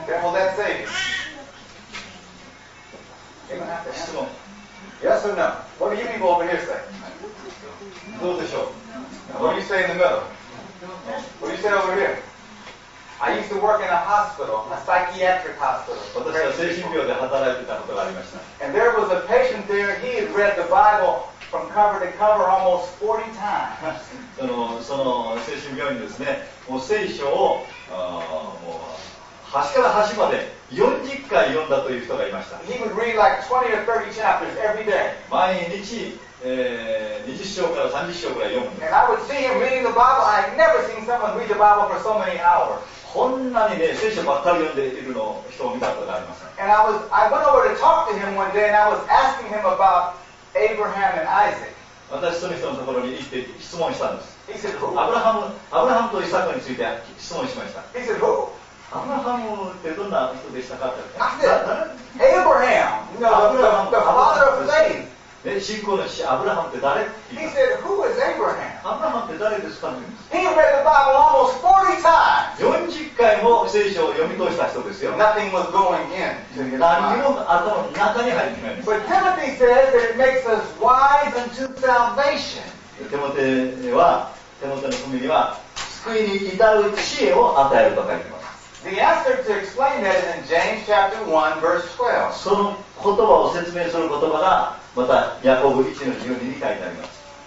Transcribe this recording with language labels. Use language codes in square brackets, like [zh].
[en] Then will that save you? [ja] 質問。 [en] Yes or no? What do you people over here say? [ja] どうでしょう？ [en] What do you say in the middle? What do you say over here? I used to work in a hospital, a psychiatric hospital. [ja] 私は精神病で働いてたことがありました。 [en] And there was a patient there. He had read the Bible. From cover to cover, almost 40 times. [ja] その精神病院ですね、もう聖書をもう端から端まで40回読んだという人がいました。 [en] He would read like 20 or 30 chapters every day. [ja] 毎日、20章から30章ぐらい読むんです。 [en] And I would see him reading the Bible. I had never seen someone read the Bible for so many hours. [ja] こんなにね、聖書ばっかり読んでいるのを人を見たことがありません。 [en] And I went over to talk to him one day, and I was asking him aboutAbraham and Isaac. [ja] 私その人のところに行って質問したんです。 [en] He said, who? [ja] アブラハムとイサクについて質問しました。 [en] He said, who? [ja] アブラハムってどんな人でしたかって。 [en] I said, Abraham, the father of faith. [ja] 信仰の父、アブラハムって誰？ [en] He said, who is Abraham? [ja] アブラハムって誰ですかって。 [en] He read the Bible almost 40 times. [ja] 40回も聖書を読み通した人ですよ。 [en] Nothing was going in. [ja] 何も頭の中に入ってない。 [en] But Timothy says that it makes us wise unto salvation. [ja] テモテの文には救いに至る知恵を与えると書いてます。 [en] The answer to explain that is in James chapter 1 verse 12. [ja] その言葉を説明する言葉がまたヤコブ1の12に書いてあります。